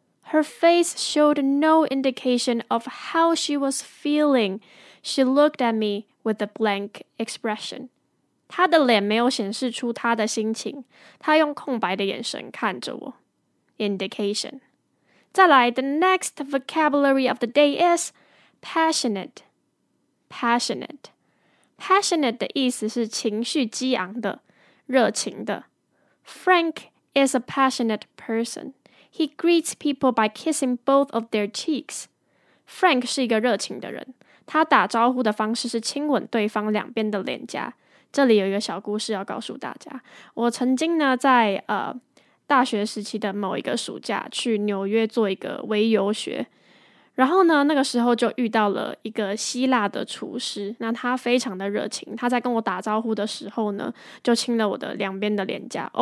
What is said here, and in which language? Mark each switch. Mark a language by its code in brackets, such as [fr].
[en] Her face showed no indication of how she was feeling. She looked at me with a blank expression. [zh] 她的脸没有显示出她的心情，她用空白的眼神看着我。 [en] Indication. [zh] 再来 [en] ,the next vocabulary of the day is passionate. [zh] Passionate. Passionate 的意思是情绪激昂的，热情的。 [en] Frank is a passionate person. He greets people by kissing both of their cheeks. [zh] Frank 是一个热情的人，他打招呼的方式是亲吻对方两边的脸颊。这里有一个小故事要告诉大家。我曾经呢在大学时期的某一个暑假去纽约做一个微游学。然后呢那个时候就遇到了一个希腊的厨师，那他非常的热情，他在跟我打招呼的时候呢就亲了我的两边的脸颊。